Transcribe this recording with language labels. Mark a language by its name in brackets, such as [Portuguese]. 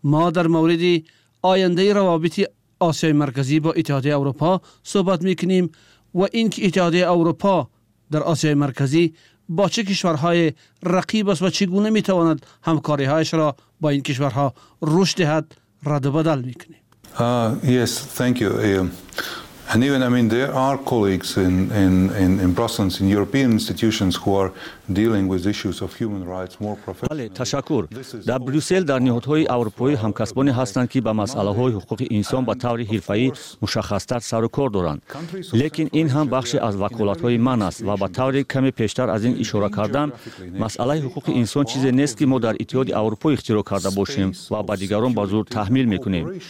[Persian] ما در مورد آینده روابط آسیای مرکزی با اتحادیه اروپا صحبت میکنیم و اینکه اتحادیه اروپا در آسیای مرکزی با چه کشورهای رقیب است و چگونه میتواند همکاری هایش را با این کشورها رشد دهد، رد و بدل میکنیم. [English] Yes, thank you. And even, I mean, there are colleagues in Brussels, in European institutions who are dealing with issues of human rights more professionally. [Persian] بله، تشکر. در بروسل در نهادهای اروپایی همکسبانی هستند که با مسئله های حقوق انسان به طور حرفه‌ای مشخص‌تر سر و کار دارند. لیکن این هم بخشی از وکالت‌های من است و به طور کمی پیشتر از این اشاره کردم، مسئله حقوق انسان چیزی نیست که ما در اتحاد اروپا اختراع کرده باشیم و به دیگران به زور تحمیل می‌کنیم.